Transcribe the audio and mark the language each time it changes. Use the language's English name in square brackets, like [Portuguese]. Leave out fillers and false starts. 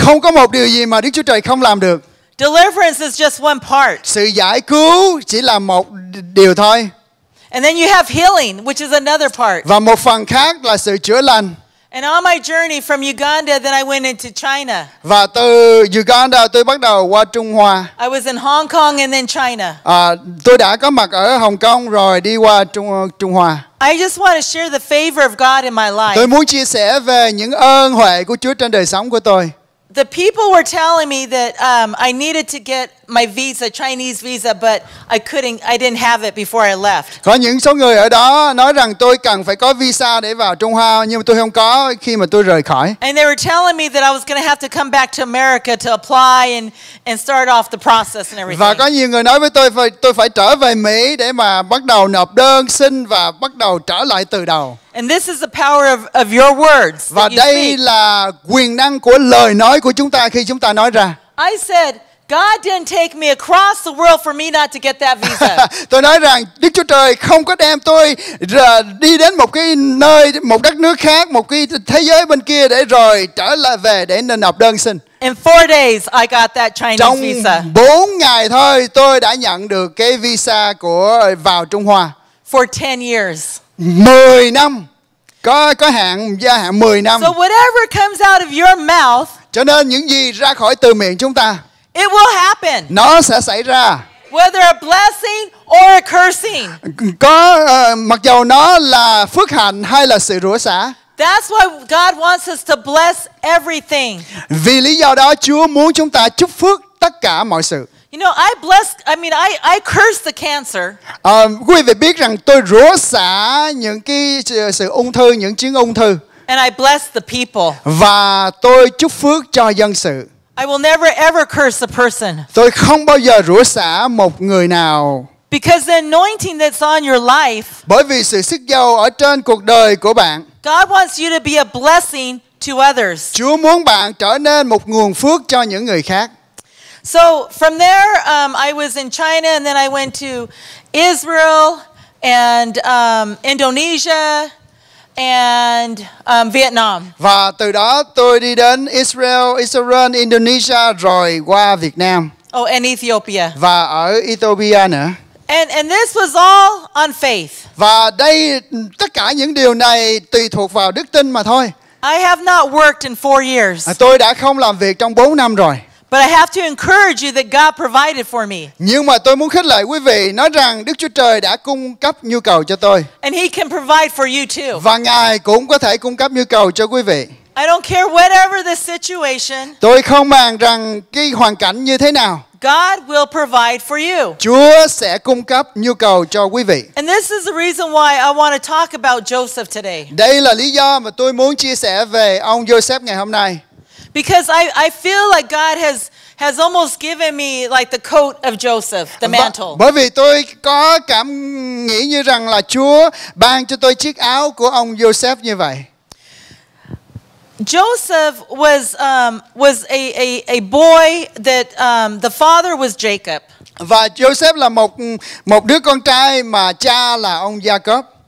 [Vietnamese] Không có một điều gì mà Đức Chúa Trời không làm được. [English] Deliverance is just one part. [Vietnamese] Sự giải cứu chỉ là một điều thôi. [English] And then you have healing, which is another part. [Vietnamese] Và một phần khác là sự chữa lành. [English] And on my journey from Uganda, then I went into China. [Vietnamese] Và từ Uganda tôi bắt đầu qua Trung Hoa. [English] I was in Hong Kong and then China. [Vietnamese] Tôi đã có mặt ở Hồng Kông rồi đi qua Trung Hoa. [English] I just want to share the favor of God in my life. [Vietnamese] Tôi muốn chia sẻ về những ơn huệ của Chúa trên đời sống của tôi. [English] The people were telling me that I needed to get my visa, Chinese visa, but I didn't have it before I left. [Vietnamese] Có những số người ở đó nói rằng tôi cần phải có visa để vào Trung Hoa, nhưng mà tôi không có khi mà tôi rời khỏi. [English] And they were telling me that I was going to have to come back to America to apply and start off the process and everything. [Vietnamese] Và có nhiều người nói với tôi phải trở về Mỹ để mà bắt đầu nộp đơn xin và bắt đầu trở lại từ đầu. [English] And this is the power of your words. [Vietnamese] Và đây là quyền năng của lời nói của chúng ta khi chúng ta nói ra. [English] I said, God didn't take me across the world for me not to get that visa. [Vietnamese] Tôi nói rằng Đức Chúa Trời không có đem tôi đi đến một cái nơi, một đất nước khác, một cái thế giới bên kia để rồi trở lại về để nên nộp đơn xin. [English] In 4 days, I got that Chinese [Vietnamese] trong [English] visa. [Vietnamese] Trong 4 ngày thôi, tôi đã nhận được cái visa của vào Trung Hoa. [English] For 10 years. [Vietnamese] 10 năm. Có hạn gia hạn 10 năm. [English] So whatever comes out of your mouth. [Vietnamese] Cho nên những gì ra khỏi từ miệng chúng ta. [English] It will happen. [Vietnamese] Nó sẽ xảy ra. [English] Whether a blessing or a cursing. [Vietnamese] Có mặc dù nó là phước hạnh hay là sự rủa xả. [English] That's why God wants us to bless everything. [Vietnamese] Vì lý do đó Chúa muốn chúng ta chúc phước tất cả mọi sự. [English] You know, I curse the cancer. [Vietnamese] Quý vị biết rằng tôi rủa xả những cái sự ung thư, những chứng ung thư. [English] And I bless the people. [Vietnamese] Và tôi chúc phước cho dân sự. [English] I will never ever curse a person. [Vietnamese] Tôi không bao giờ rủa xả một người nào. [English] Because the anointing that's on your life. [Vietnamese] Bởi vì sự sức dầu ở trên cuộc đời của bạn. [English] God wants you to be a blessing to others. [Vietnamese] Chúa muốn bạn trở nên một nguồn phước cho những người khác. [English] So from there, I was in China, and then I went to Israel and Indonesia. And Vietnam. [Vietnamese] Và từ đó tôi đi đến Israel, Indonesia, rồi qua Việt Nam. [English] Oh, and Ethiopia. [Vietnamese] Và ở Ethiopia nữa. [English] And this was all on faith. [Vietnamese] Và đây tất cả những điều này tùy thuộc vào đức tin mà thôi. [English] I have not worked in 4 years. [Vietnamese] Tôi đã không làm việc trong 4 năm rồi. [English] But I have to encourage you that God provided for me. [Vietnamese] Nhưng mà tôi muốn khích lệ quý vị nói rằng Đức Chúa Trời đã cung cấp nhu cầu cho tôi. [English] And He can provide for you too. [Vietnamese] Và Ngài cũng có thể cung cấp nhu cầu cho quý vị. [English] I don't care whatever the situation. [Vietnamese] Tôi không màng rằng cái hoàn cảnh như thế nào. [English] God will provide for you. [Vietnamese] Chúa sẽ cung cấp nhu cầu cho quý vị. [English] And this is the reason why I want to talk about Joseph today. [Vietnamese] Đây là lý do mà tôi muốn chia sẻ về ông Joseph ngày hôm nay. [English] Because I feel like God has almost given me like the coat of Joseph, the mantle. [Vietnamese] Bởi vì tôi có cảm nghĩ như rằng là Chúa ban cho tôi chiếc áo của ông Joseph như vậy. [English] Joseph was a boy that the father was Jacob. [Vietnamese] Và Joseph là một đứa con trai mà cha là ông Jacob.